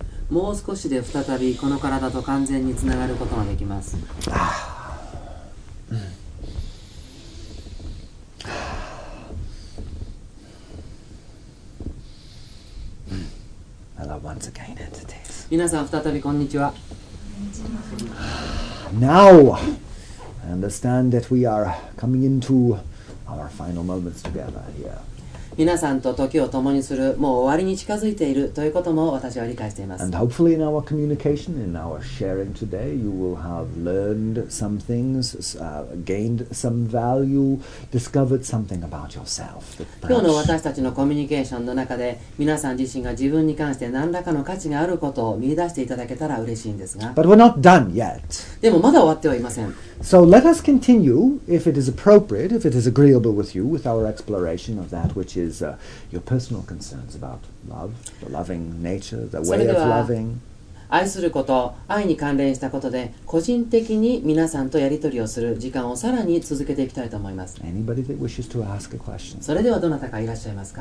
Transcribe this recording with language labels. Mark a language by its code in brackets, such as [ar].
[ja] もう少しで再びこの体と完全につながることができます。 [en] Hello, once again, entities. [ja] 皆さん、再びこんにちは。 [en] Now, I understand that we are coming into our final moments together here. [ja] 皆さんと時を共にするもう終わりに近づいているということも私は理解しています。 [en] And hopefully in our communication, in our sharing today, you will have learned some things, gained some value, discovered something about yourself. [ja] 今日の私たちのコミュニケーションの中で皆さん自身が自分に関して何らかの価値があることを見出していただけたら嬉しいんですが。 [en] But we're not done yet. [ja] でもまだ終わってはいません。 [en] So let us continue, if it is appropriate, if it is agreeable with you, with our exploration of that which is your personal concerns about love, the loving nature, the way of loving. [ja] 愛すること、愛に関連したことで、個人的に皆さんとやり取りをする時間をさらに続けていきたいと思います。 [en] Anybody that wishes to ask a question? [ja] それではどなたかいらっしゃいますか?